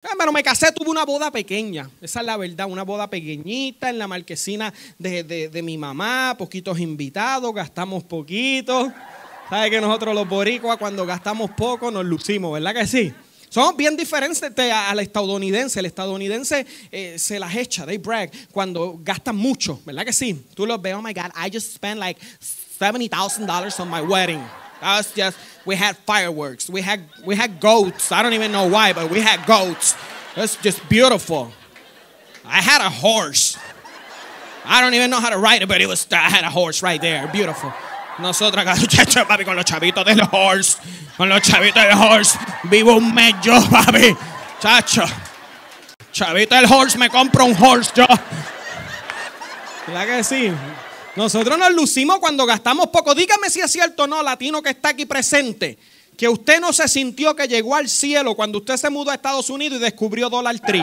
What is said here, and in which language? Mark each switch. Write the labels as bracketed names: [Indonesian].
[Spanish] Pero me casé, tuve una boda pequeña. Esa es la verdad, una boda pequeñita en la marquesina de mi mamá. Poquitos invitados, gastamos poquito. ¿Sabes que nosotros los boricuas cuando gastamos poco nos lucimos, verdad que sí? Somos bien diferentes al estadounidense. El estadounidense se las echa, [English] they brag, [Spanish] cuando gastan mucho, ¿verdad que sí? Tú los ves, [English] oh my God, I just spent like $70,000 on my wedding. That was just, we had fireworks, we had goats. I don't even know why, but we had goats. That's just beautiful. I had a horse. I don't even know how to ride it, but I had a horse right there, beautiful. [Spanish] Nosotros acá, papi, con los chavitos del horse. Con los chavitos del horse. Vivo un mes yo, papi. Chacho. Chavito del horse, me compro un horse yo. ¿Verdad que sí? Nosotros nos lucimos cuando gastamos poco. Dígame si es cierto o no, latino que está aquí presente, que usted no se sintió que llegó al cielo cuando usted se mudó a Estados Unidos y descubrió Dollar Tree.